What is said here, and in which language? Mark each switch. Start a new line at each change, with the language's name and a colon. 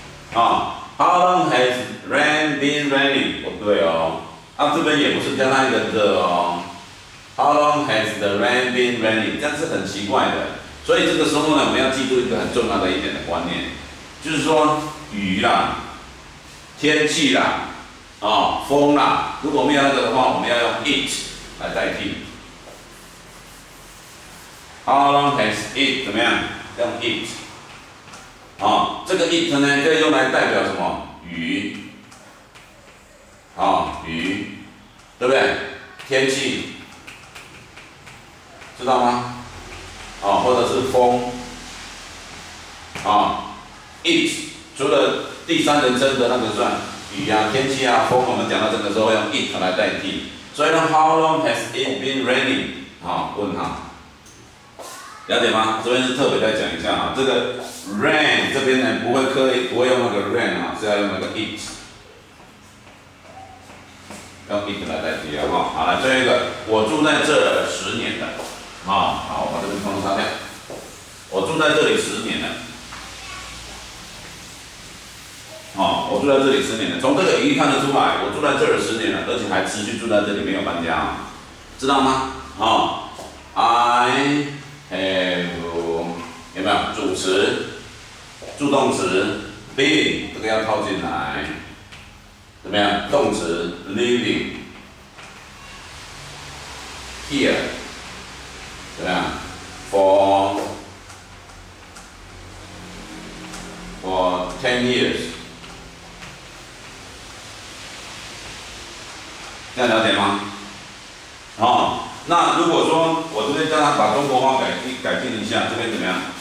English: How long has rain been raining？
Chinese: 不对哦，啊，这边也不是加上一个的哦。
English: How long has the rain been raining？
Chinese: 这样是很奇怪的。所以这个时候呢，我们要记住一个很重要的一点的观念，就是说雨啦、天气啦、啊、哦、风啦，如果没有那个的话，我们要用 it 来代替。
English: How long has it？
Chinese: 怎么样？用 it。啊、哦，这个 it 呢，可以用来代表什么？雨，啊、哦，雨，对不对？天气，知道吗？啊，或者是 form 啊 ，it 除了第三人称的那个算雨啊、天气啊、风，我们讲到这个时候用 it 来代替。所以呢
English: ，How long has it been raining？
Chinese: 啊，问号，了解吗？这边是特别再讲一下啊，这个 rain 这边呢不会刻意不会用那个 rain 啊，是要用那个 it， 用 it 来代替啊。哈，好了，最后一个，我住在这十年的。啊，好，把这边通通擦掉。我住在这里十年了。啊，我住在这里十年了，从这个语义看得出来，我住在这里十年了，而且还持续住在这里，没有搬家，知道吗？啊 ，
English: I have
Chinese: 有没有主词、助动词
English: been
Chinese: 这个要套进来，怎么样？动词
English: living here。
Chinese: 怎么样 ？
English: For 10 years，
Chinese: 这样了解吗？哦，那如果说我这边叫他把中国话改进一下，这边怎么样？